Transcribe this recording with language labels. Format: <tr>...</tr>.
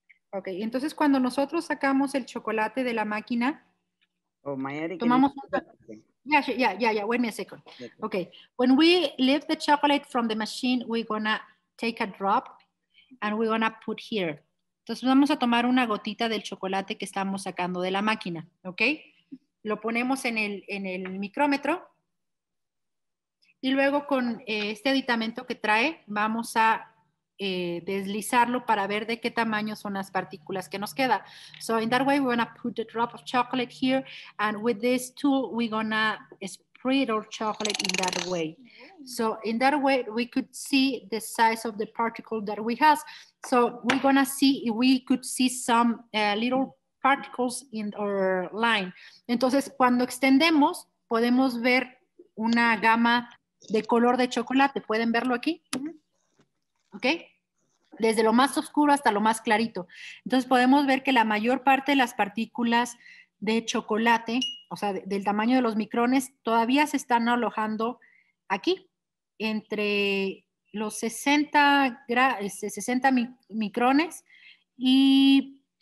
<es>Okay, entonces cuando nosotros sacamos el chocolate de la máquina,</es> <en>wait me a second. Okay, when we lift the chocolate from the machine, we're gonna take a drop and we're gonna put here.</en> <es>Entonces vamos a tomar una gotita del chocolate que estamos sacando de la máquina, okay? Lo ponemos en el micrómetro y luego con este aditamento que trae, vamos a deslizarlo para ver de qué tamaño son las partículas que nos queda.</es> <en>So in that way, we're gonna put a drop of chocolate here, and with this tool, we're gonna spread our chocolate in that way. So in that way, we could see the size of the particle that we have. So we're gonna see if we could see some little particles in our line.</en> <es>Entonces, cuando extendemos, podemos ver una gama de color de chocolate. ¿Pueden verlo aquí? ¿Ok? Desde lo más oscuro hasta lo más clarito. Entonces podemos ver que la mayor parte de las partículas de chocolate, o sea, del tamaño de los micrones, todavía se están alojando aquí, entre los 60 micrones y</es>